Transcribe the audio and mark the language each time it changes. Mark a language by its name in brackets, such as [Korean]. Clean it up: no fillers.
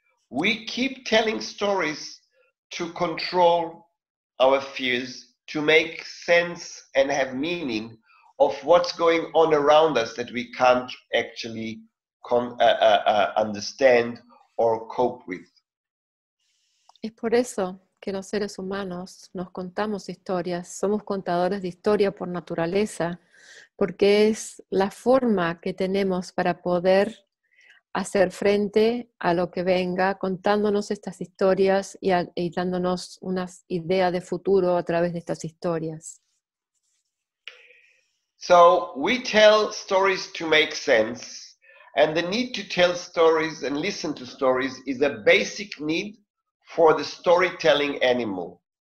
[English] We keep telling stories to control our fears, to make sense and have meaning of what's going on around us that we can't actually understand or cope with. [Spanish] Es por eso que los seres humanos nos contamos historias, somos contadores de historia por naturaleza, porque es la forma que tenemos para poder hacer frente a lo que venga, contándonos estas historias y dándonos unas ideas de futuro a través de estas historias. [English] So, we tell stories to make sense, and the need to tell stories and listen to stories is a basic need for the storytelling animal.